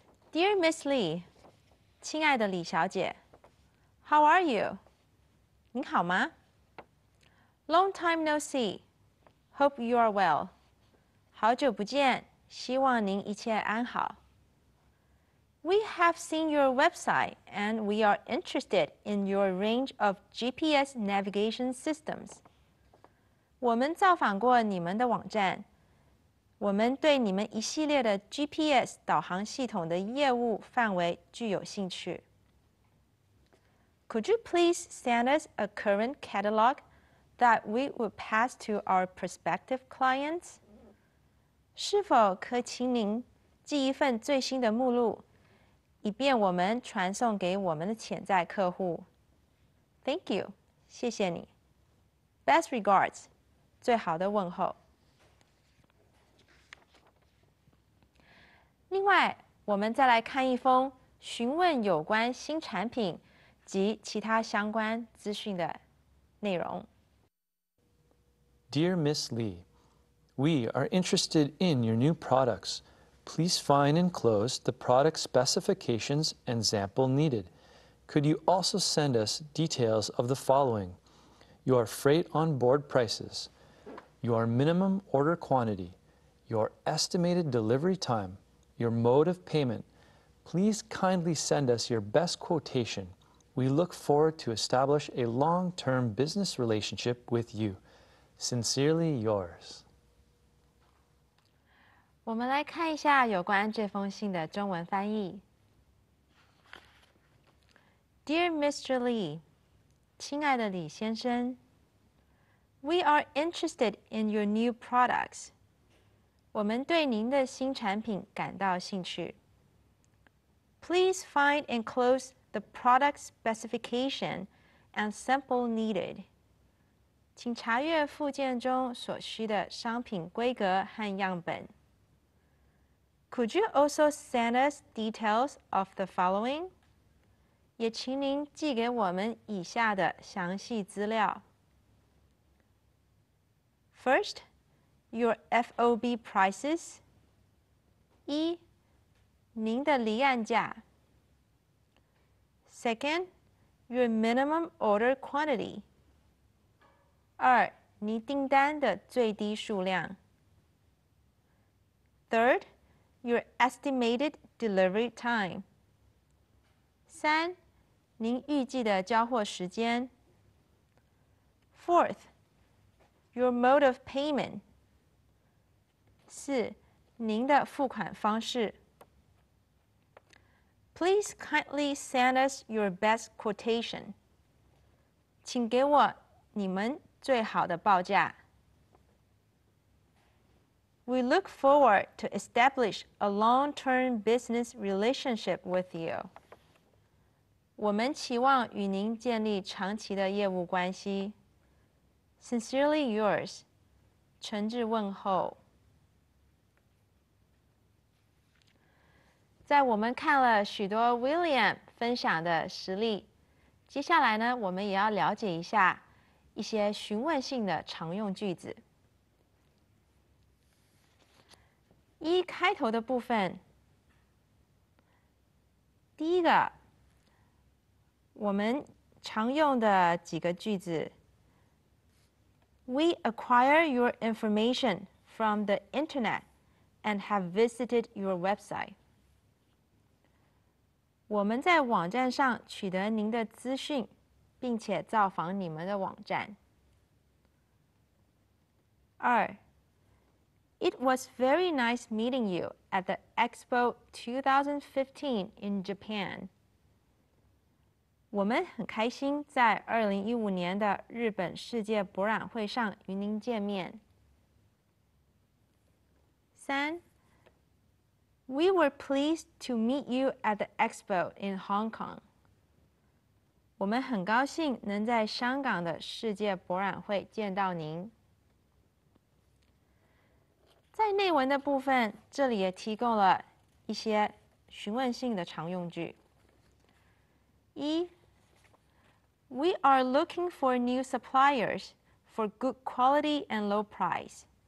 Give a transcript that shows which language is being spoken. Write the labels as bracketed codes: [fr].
[en] Dear Miss Lee, [zh] 亲爱的李小姐 [en] ，How are you? [zh] 您好吗 [en] ？Long time no see. Hope you are well. [zh] 好久不见，希望您一切安好。 [en] We have seen your website and we are interested in your range of GPS navigation systems. [zh] 我们造访过你们的网站，我们对你们一系列的 GPS 导航系统的业务范围具有兴趣。 [en] Could you please send us a current catalog that we would pass to our prospective clients? [zh] 是否可请您寄一份最新的目录？以便我们传送给我们的潜在客户。 [en] Thank you, [zh] 谢谢你。 [en] Best regards, [zh] 最好的问候。另外，我们再来看一封询问有关新产品及其他相关资讯的内容。 [en] Dear Miss Lee, we are interested in your new products. Please find enclosed the product specifications and sample needed. Could you also send us details of the following? Your freight on board prices, your minimum order quantity, your estimated delivery time, your mode of payment. Please kindly send us your best quotation. We look forward to establish a long-term business relationship with you. Sincerely yours. [zh] 我们来看一下有关这封信的中文翻译。 [en] Dear Mr. Lee, [zh] 亲爱的李先生 [en] ，We are interested in your new products. [zh] 我们对您的新产品感到兴趣。 [en] Please find enclosed the product specification and sample needed. [zh] 请查阅附件中所需的商品规格和样本。 [en] Could you also send us details of the following? [zh] 也请您寄给我们以下的详细资料。 [en] First, your FOB prices. [zh] 一，您的离岸价。 [en] Second, your minimum order quantity. [zh] 二，你订单的最低数量。 [en] Third,Your estimated delivery time. [zh] 三，您预计的交货时间。 [en] Fourth, your mode of payment. [zh] 四，您的付款方式。 [en] Please kindly send us your best quotation. [zh] 请给我你们最好的报价。 [en] We look forward to establish a long-term business relationship with you. [zh] 我们期望与您建立长期的业务关系。 [en] Sincerely yours, [zh] 诚挚问候。在我们看了许多 William 分享的实例，接下来呢，我们也要了解一下一些询问性的常用句子。一开头的部分，第一个，我们常用的几个句子 ， [en] We acquire your information from the internet and have visited your website。 [zh] 我们在网站上取得您的资讯，并且造访你们的网站。二。 [en] It was very nice meeting you at the Expo 2015 in Japan. [zh] 我们很开心在2015年的日本世界博览会上与您见面。 [en] 三 We were pleased to meet you at the Expo in Hong Kong. [zh] 我们很高兴能在香港的世界博览会见到您。在内文的部分，这里也提供了一些询问性的常用句。 [en] 一 ，We are looking for new suppliers for good quality and low price。